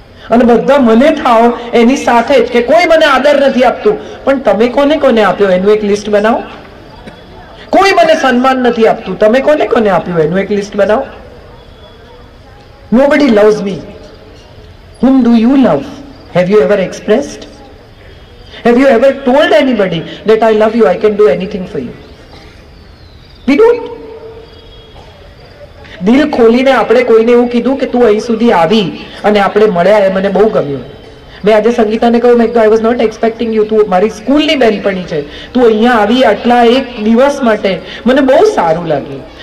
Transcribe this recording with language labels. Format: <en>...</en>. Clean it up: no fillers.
<gu>અને બધા મને થાવ એની સાથે જ કે કોઈ મને આદર નથી આપતું, પણ તમે કોને કોને આપ્યો એનું એક લિસ્ટ બનાવો. કોઈ મને સન્માન નથી આપતું, તમે કોને કોને આપ્યું એનું એક લિસ્ટ બનાવો.</gu> <en>Nobody loves me, whom do you love? Have you ever expressed? Have you ever told anybody that I love you, I can do anything for you? We don't.</en> <gu>દિલ ખોલીને આપણે કોઈને એવું કીધું કે તું અહીં સુધી આવી અને આપણે મળ્યા એ મને બહુ ગમ્યું. મેં આજે સંગીતાને કહ્યું, મેં કહ્યું</gu> <en>I was not expecting you,</en> <gu>તું મારી સ્કૂલની બહેનપણી છે, તું અહીંયા આવી આટલા એક દિવસ માટે મને બહુ સારું લાગ્યું.</gu>